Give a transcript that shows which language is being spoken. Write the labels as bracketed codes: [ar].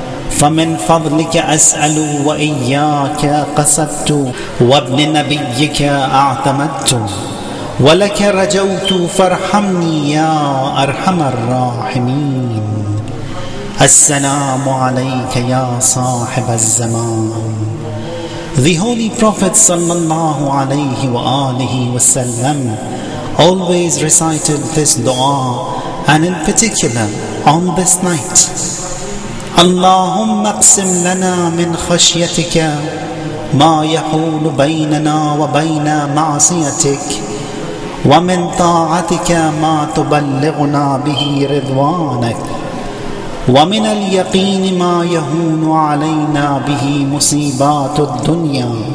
[ar] فمن فضلك أسأل وإياك قصدت وابن نبيك أعتمدت ولك رجوت فارحمني يا أرحم الراحمين السلام عليك يا صاحب الزمان. [en] The Holy Prophet sallallahu alayhi wa alihi wa sallam always recited this dua, and in particular on this night. [ar] اللهم اقسم لنا من خشيتك ما يحول بيننا وبين معصيتك ومن طاعتك ما تبلغنا به رضوانك ومن اليقين ما يهون علينا به مصيبات الدنيا